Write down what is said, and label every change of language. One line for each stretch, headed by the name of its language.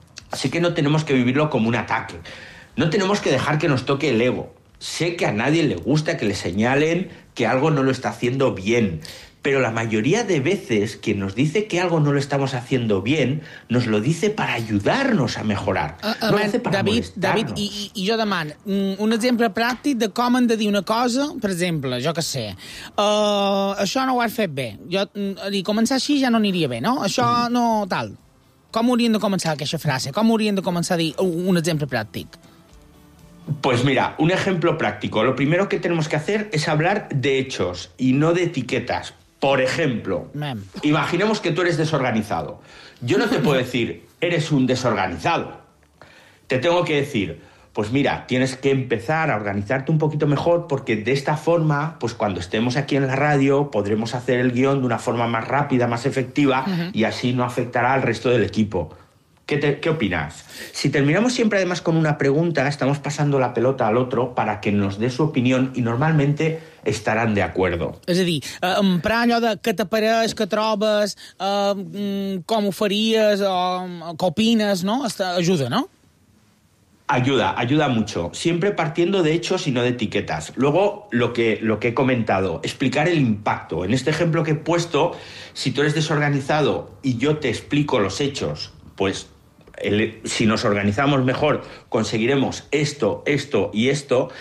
Spanish: Así que no tenemos que vivirlo como un ataque. No tenemos que dejar que nos toque el ego. Sé que a nadie le gusta que le señalen que algo no lo está haciendo bien, pero la mayoría de veces quien nos dice que algo no lo estamos haciendo bien nos lo dice para ayudarnos a mejorar, no lo hace para David, molestarnos.
Catalan: David, i jo demano un exemple pràctic de com han de dir una cosa, per exemple, jo que sé, això no ho has fet bé. Jo, començar així ja no aniria bé, no? Això no tal. Com hauríem de començar aquesta frase? Com hauríem de començar a dir un exemple pràctic?
Spanish: Pues mira, un ejemplo práctico. Lo primero que tenemos que hacer es hablar de hechos y no de etiquetas. Por ejemplo, imaginemos que tú eres desorganizado. Yo no te puedo decir, eres un desorganizado. Te tengo que decir, pues mira, tienes que empezar a organizarte un poquito mejor porque de esta forma, pues cuando estemos aquí en la radio, podremos hacer el guión de una forma más rápida, más efectiva y así no afectará al resto del equipo. ¿Qué opinas? Si terminamos siempre además con una pregunta, estamos pasando la pelota al otro para que nos dé su opinión y normalmente estaran de acuerdo.
Catalan: És a dir, emprar allò de què t'apareix, què trobes, com ho faries o què opines, no? Ajuda, no?
Spanish: Ayuda, ayuda mucho. Siempre partiendo de hechos y no de etiquetas. Luego, lo que he comentado, explicar el impacto. En este ejemplo que he puesto, si tú eres desorganizado y yo te explico los hechos, pues si nos organizamos mejor, conseguiremos esto, esto y esto.